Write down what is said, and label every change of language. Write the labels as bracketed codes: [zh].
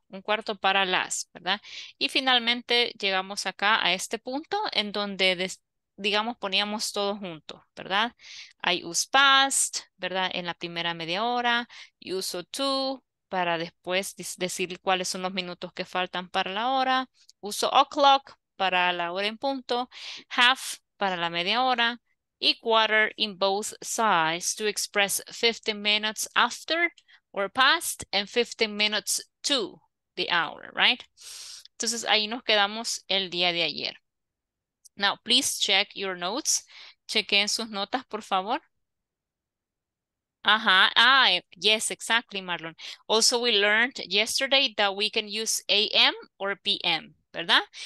[es] Un cuarto para las, ¿verdad? Y finalmente, llegamos acá a este punto en donde digamos, poníamos todo junto, ¿verdad? [en] I use past, [es] ¿verdad? En la primera media hora. Uso to para después decir cuáles son los minutos que faltan para la hora. Uso o'clock para la hora en punto. Half para la media hora. [en] Y quarter in both sides to express 15 minutes after or past and 15 minutes to the hour, right? [es] Entonces ahí nos quedamos el día de ayer. [en] Now, please check your notes. [es] Chequen sus notas, por favor. Ajá. [en] Ah, yes, exactly, Marlon. Also, we learned yesterday that we can use AM or PM, ¿verdad?